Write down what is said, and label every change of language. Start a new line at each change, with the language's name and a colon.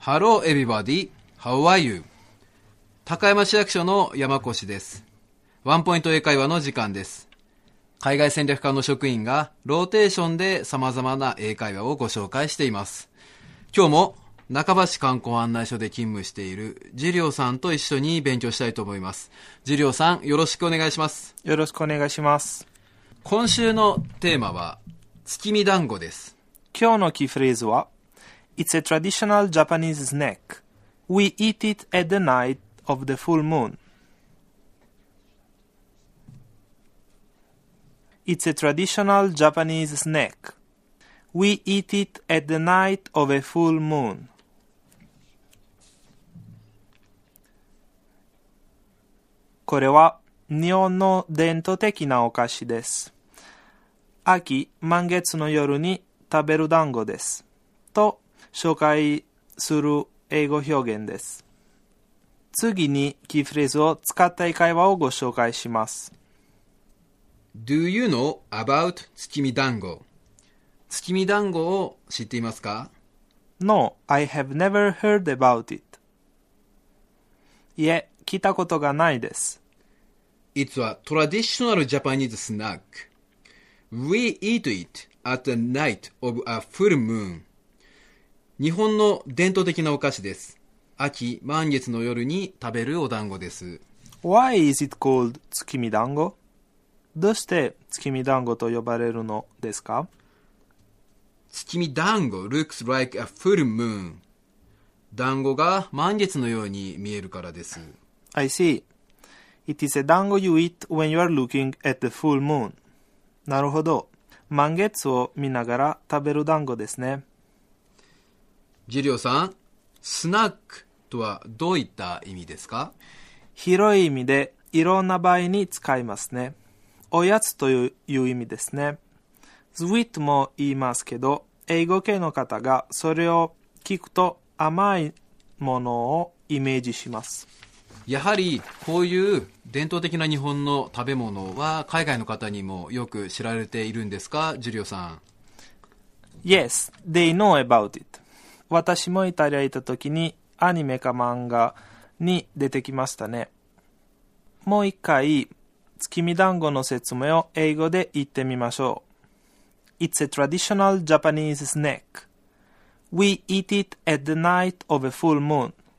English: Hello everybody, how are you?
Japanese: 高山市役所の山越です。ワンポイント英会話の時間です。海外戦略課の職員がローテーションで様々な英会話をご紹介しています。今日も中橋観光案内所で勤務しているジリオさんと一緒に勉強したいと思います。ジリオさん、よろしくお願いします。よろしくお願いします。今週のテーマは月見団子です。今日のキーフレーズは
English: It's a traditional Japanese snack. We eat it at the night of the full moon. It's a traditional Japanese snack. We eat it at the night of a full moon.
Japanese: これは日本の伝統的なお菓子です。秋、満月の夜に食べる団子です。と紹介する英語表現です。次にキーフレーズを使った英会話をご紹介します。
English: Do you know about 月見団子？
Japanese: 月見団子を知っていますか
English: ？No, I have never heard about it.
Japanese: いえ、聞いたことがないです。
English: It's a traditional Japanese snack. We eat it at the night of a full moon.
Japanese: 日本の伝統的なお菓子です。秋、満月の夜に食べるお団子です。
English: Why is it called 月見団子？
Japanese: どうして月見団子と呼ばれるのですか？
English: 月見団子 looks like a full moon.
Japanese: 団子が満月のように見えるからです。
English: I see. It is a 団子 you eat when you are looking at the full moon.
Japanese: なるほど。満月を見ながら食べる団子ですね。ジリオさん、スナックとはどういった意味ですか？広い意味でいろんな場合に使いますね。おやつという意味ですね。スイートも言いますけど、英語系の方がそれを聞くと甘いものをイメージします。やはりこういう伝統的な日本の食べ物は海外の方にもよく知られているんですか、ジリオさん？
English: Yes, they know about it.
Japanese: 私もイタリアに行った時にアニメか漫画に出てきましたね。もう一回月見団子の説明を英語で言ってみましょう。
English: It's a traditional Japanese snack. We eat it at the night of a full moon.